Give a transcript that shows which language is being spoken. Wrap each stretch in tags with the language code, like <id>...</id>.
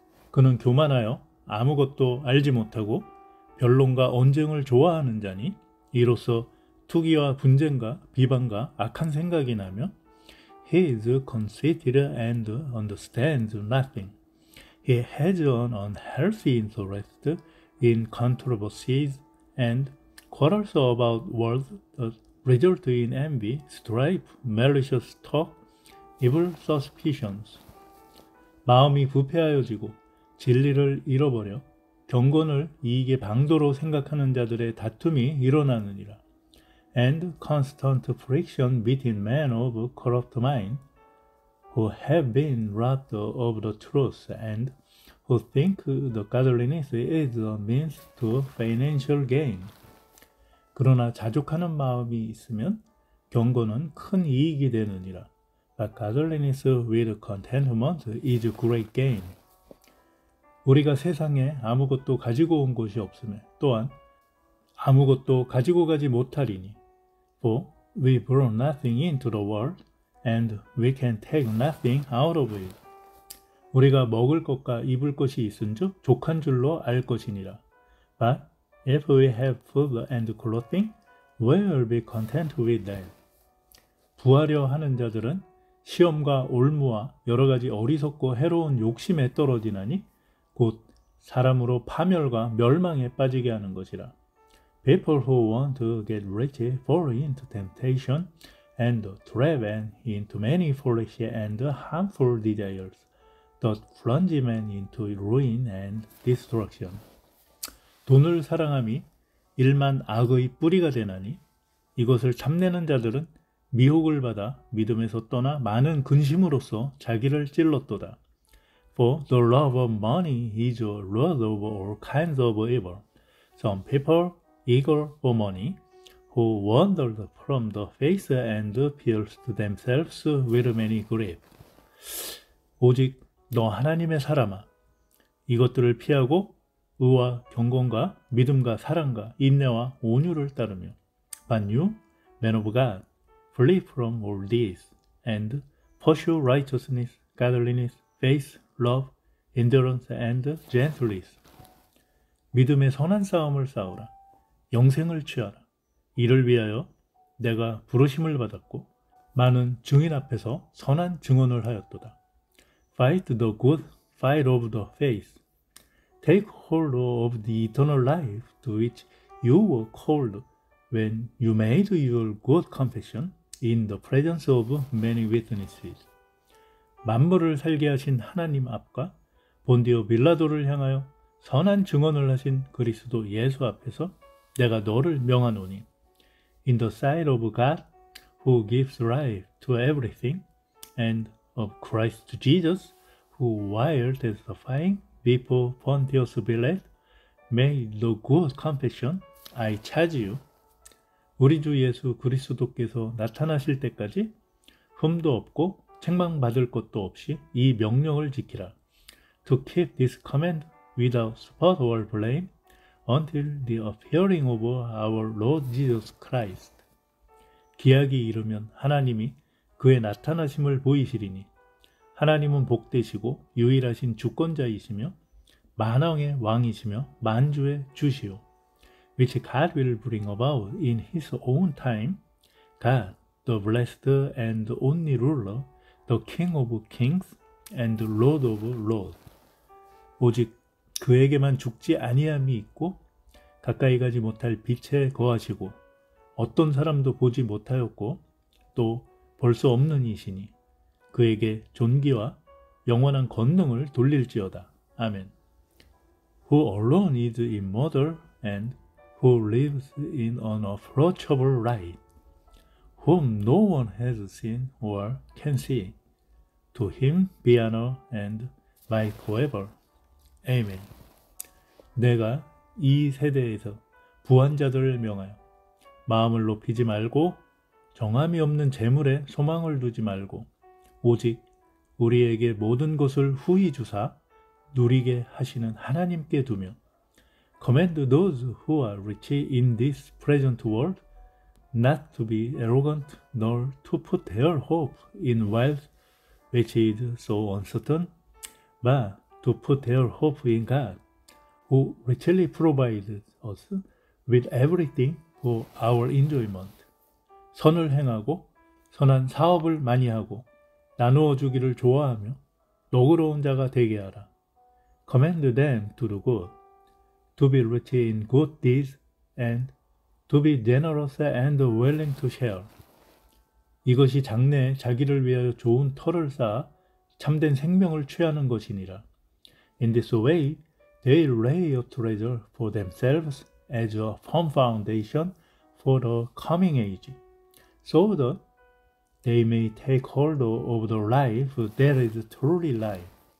<ko>그는 교만하여 아무것도 알지 못하고 변론과 언쟁을 좋아하는 자니 이로써 투기와 분쟁과 비방과 악한 생각이 나며</ko> <en>He is conceited and understands nothing. He has an unhealthy interest in controversies and quarrels about words that result in envy, strife, malicious talk, Evil suspicions.</en> <ko>마음이 부패하여지고 진리를 잃어버려 경건을 이익의 방도로 생각하는 자들의 다툼이 일어나느니라.</ko> <en>And constant friction between men of corrupt mind, who have been robbed of the truth, and who think the godliness is a means to financial gain.</en> <ko>그러나 자족하는 마음이 있으면 경건은 큰 이익이 되느니라.</ko> <en>But godliness with contentment is great gain.</en> <ko>우리가 세상에 아무것도 가지고 온 것이 없으며 또한 아무것도 가지고 가지 못하리니</ko> <en>For we brought nothing into the world and we can take nothing out of it.</en> <ko>우리가 먹을 것과 입을 것이 있은즉 족한 줄로 알 것이니라.</ko> <en>But if we have food and clothing, we will be content with that.</en> <ko>부하려 하는 자들은 시험과 올무와 여러 가지 어리석고 해로운 욕심에 떨어지나니 곧 사람으로 파멸과 멸망에 빠지게 하는 것이라.</ko> <en>People who want to get rich fall into temptation and trap and into many foolish and harmful desires, thus plunge men into ruin and destruction.</en> <ko>돈을 사랑함이 일만 악의 뿌리가 되나니 이것을 참내는 자들은 미혹을 받아 믿음에서 떠나 많은 근심으로써 자기를 찔렀도다.</ko> <en>For the love of money is a root of all kinds of evil. Some people eager for money, who wandered from the faith and pierced themselves with many griefs.</en> <ko>오직 너 하나님의 사람아, 이것들을 피하고 의와 경건과 믿음과 사랑과 인내와 온유를 따르며,</ko> <en>But you, man of God, Flee from all these, and pursue righteousness, godliness, faith, love, endurance, and gentleness.</en> <ko>믿음의 선한 싸움을 싸우라. 영생을 취하라. 이를 위하여 내가 부르심을 받았고, 많은 증인 앞에서 선한 증언을 하였도다.</ko> <en>Fight the good fight of the faith. Take hold of the eternal life to which you were called when you made your good confession. In the presence of many witnesses.</en> <ko>만물을 살게 하신 하나님 앞과 본디오 빌라도를 향하여 선한 증언을 하신 그리스도 예수 앞에서 내가 너를 명하노니</ko> <en>In the sight of God, who gives life to everything, and of Christ Jesus, who while testifying before Pontius Pilate, made the good confession, I charge you.</en> <ko>우리 주 예수 그리스도께서 나타나실 때까지 흠도 없고 책망받을 것도 없이 이 명령을 지키라.</ko> <en>To keep this command without spot or blame until the appearing of our Lord Jesus Christ.</en> <ko>기약이 이르면 하나님이 그의 나타나심을 보이시리니 하나님은 복되시고 유일하신 주권자이시며 만왕의 왕이시며 만주의 주시오.</ko> <en>Which God will bring about in his own time, God, the blessed and only ruler, the King of kings and Lord of lords.</en> <ko>오직 그에게만 죽지 아니함이 있고 가까이 가지 못할 빛에 거하시고 어떤 사람도 보지 못하였고 또 볼 수 없는 이시니 그에게 존귀와 영원한 권능을 돌릴지어다. 아멘.</ko> <en>Who alone is immortal and who lives in unapproachable light, whom no one has seen or can see, to him be honor and might forever. Amen.</en> <ko>내가 이 세대에서 부한자들을 명하여 마음을 높이지 말고 정함이 없는 재물에 소망을 두지 말고 오직 우리에게 모든 것을 후히 주사 누리게 하시는 하나님께 두며</ko> <en>Commend those who are rich in this present world not to be arrogant nor to put their hope in wealth which is so uncertain but to put their hope in God who richly provides us with everything for our enjoyment.</en> <ko>선을 행하고 선한 사업을 많이 하고 나누어 주기를 좋아하며 너그러운 자가 되게 하라.</ko> <en>Commend them to do good, to be rich in good deeds, and to be generous and willing to share.</en> <ko>이것이 장래에 자기를 위하여 좋은 털을 쌓아 참된 생명을 취하는 것이니라.</ko> <en>In this way, they lay a treasure for themselves as a firm foundation for the coming age, so that they may take hold of the life that is truly life.</en>